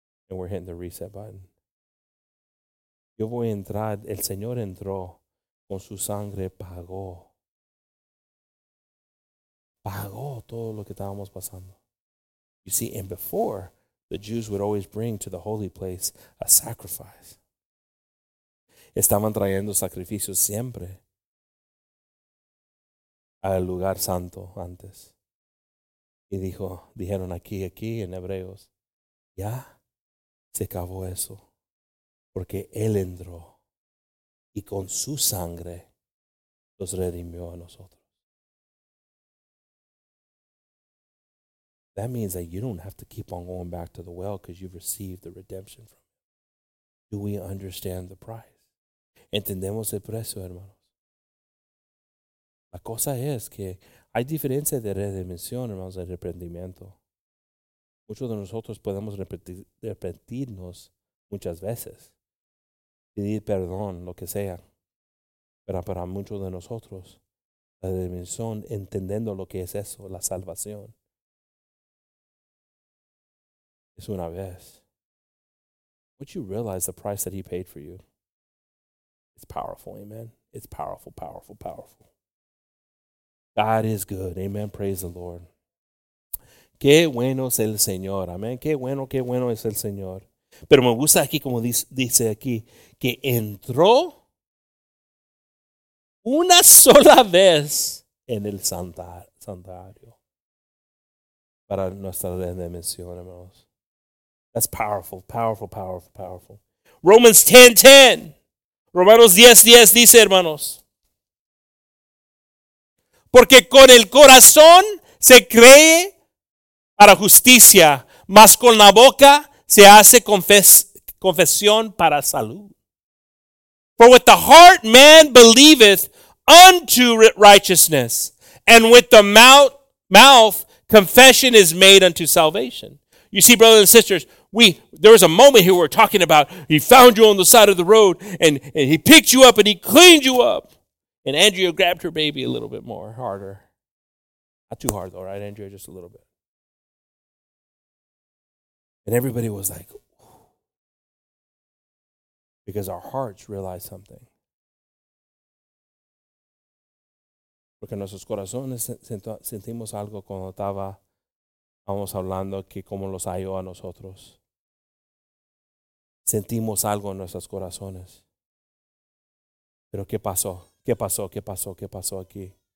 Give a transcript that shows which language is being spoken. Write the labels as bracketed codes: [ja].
[en] And we're hitting the reset button. [es] Yo voy a entrar. El Señor entró. Con su sangre pagó. Pagó todo lo que estábamos pasando. [en] You see, and before, the Jews would always bring to the holy place a sacrifice. [es] Estaban trayendo sacrificios siempre al lugar santo antes. Y dijeron aquí en Hebreos, ya se acabó eso, porque Él entró y con su sangre los redimió a nosotros. [en] That means that you don't have to keep on going back to the well because you've received the redemption from Him. Do we understand the price? [es] ¿Entendemos el precio, hermanos? La cosa es que hay diferencia de redención, hermanos, de arrepentimiento. Muchos de nosotros podemos arrepentirnos muchas veces, pedir perdón, lo que sea. Pero para muchos de nosotros, la redención, entendiendo lo que es eso, la salvación, es una vez. [en] Once you realize the price that He paid for you, it's powerful, amen? It's powerful, powerful, powerful. God is good. Amen. Praise the Lord. [es] Qué bueno es el Señor. Amén. Qué bueno es el Señor. Pero me gusta aquí, como dice aquí, que entró una sola vez en el santuario para nuestra redención, hermanos. [en] That's powerful, powerful, powerful, powerful. Romans 10:10. [es] Romanos 10:10 dice, hermanos, porque con el corazón se cree para justicia, mas con la boca se hace confesión para salud. [en] For with the heart man believeth unto righteousness, and with the mouth confession is made unto salvation. You see, brothers and sisters, There was a moment here we're talking about, he found you on the side of the road, and he picked you up and he cleaned you up. And Andrea grabbed her baby a little bit more, harder. Not too hard though, right, Andrea? Just a little bit. And everybody was like, because our hearts realized something. [es] Porque nuestros corazones sentimos algo cuando estaba, vamos hablando que como los halló a nosotros. Sentimos algo en nuestros corazones. Pero ¿qué pasó? ¿Qué pasó? ¿Qué pasó? ¿Qué pasó aquí?